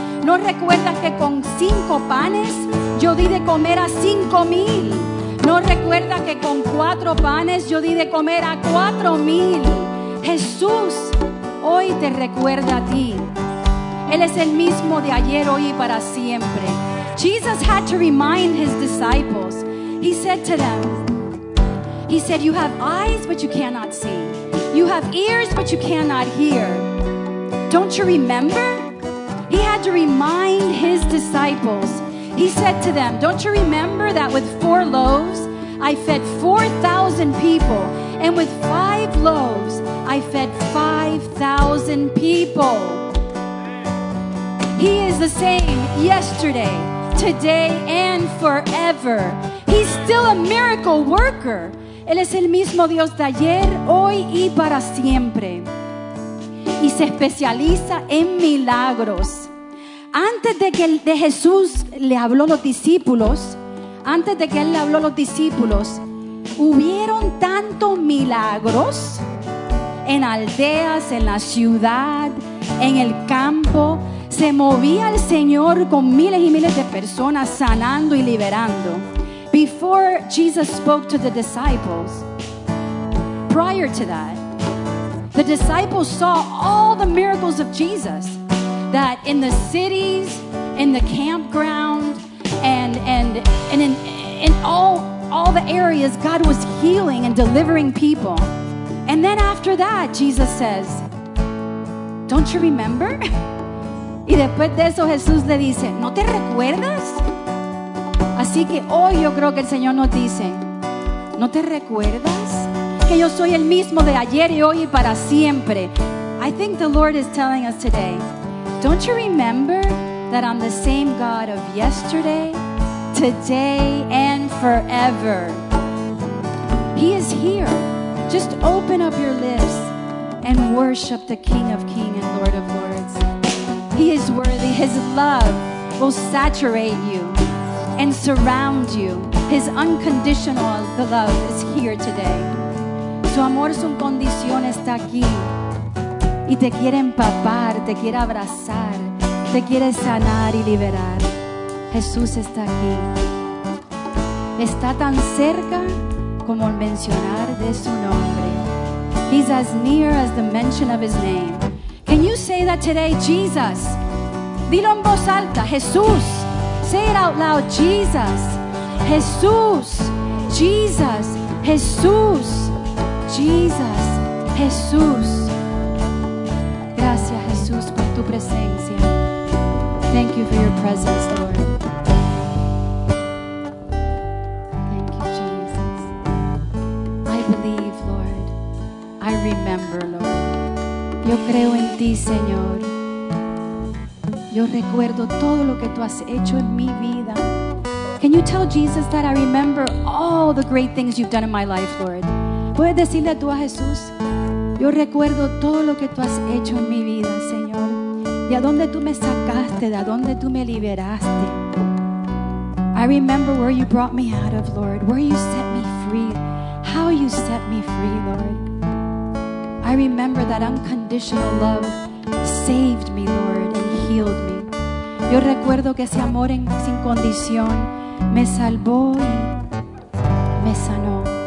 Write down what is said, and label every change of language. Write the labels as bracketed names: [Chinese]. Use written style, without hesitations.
[Spanish] ¿No recuerdas que con 5 panes yo di de comer a 5,000? ¿No recuerdas que con 4 panes yo di de comer a 4,000? Jesús hoy te recuerda a ti. Él es el mismo de ayer, hoy y para siempre. [English] Jesus had to remind his disciples. He said to them, he said, you have eyes, but you cannot see. You have ears, but you cannot hear. Don't you remember? He had to remind his disciples. He said to them, don't you remember that with 4 loaves, I fed 4,000 people? And with 5 loaves, I fed 5,000 people. He is the same yesterday, today, and forever. He's still a miracle worker. [Spanish] Él es el mismo Dios de ayer, hoy y para siempre. Y se especializa en milagros. Antes de que Jesús le habló a los discípulos, antes de que Él le habló a los discípulos, hubieron tantos milagros en aldeas, en la ciudad, en el campo. Se movía el Señor con miles y miles de personas sanando y liberando. [English] Before Jesus spoke to the disciples, prior to that, the disciples saw all the miracles of Jesus, that in the cities, in the campground, and in all the areas, God was healing and delivering people. And then after that, Jesus says, don't you remember? [Spanish] Y después de eso, Jesús le dice, ¿no te recuerdas? Así que hoy yo creo que el Señor nos dice, ¿no te recuerdas que yo soy el mismo de ayer y hoy y para siempre? [English] I think the Lord is telling us today, don't you remember that I'm the same God of yesterday, today, and forever? He is here. Just open up your lips and worship the King of Kings and Lord of Lords. He is worthy. His love will saturate you and surround you. His unconditional love is here today. [Spanish] Su amor, su condición está aquí. Y te quiere empapar, te quiere abrazar, te quiere sanar y liberar. Jesús está aquí. Está tan cerca como mencionar de su nombre. [English] He's as near as the mention of his name. Can you say that today, Jesus? [Spanish] Dilo en voz alta, Jesús. [English] Say it out loud, Jesus, Jesús, Jesus, Jesús, Jesus, Jesús. [Spanish] Gracias, Jesús, por tu presencia. [English] Thank you for your presence, Lord. Thank you, Jesus. I believe, Lord. I remember, Lord. [Spanish] Yo creo en ti, Señor. Yo recuerdo todo lo que tú has hecho en mi vida. [English] Can you tell Jesus that I remember all the great things you've done in my life, Lord? [Spanish] ¿Puedes decirle tú a Jesús? Yo recuerdo todo lo que tú has hecho en mi vida, Señor. De a dónde tú me sacaste, de a dónde tú me liberaste. [English] I remember where you brought me out of, Lord. Where you set me free. How you set me free, Lord. I remember that unconditional love saved me, Lord. Healed me. [Spanish] Yo recuerdo que ese amor sin condición me salvó y me sanó.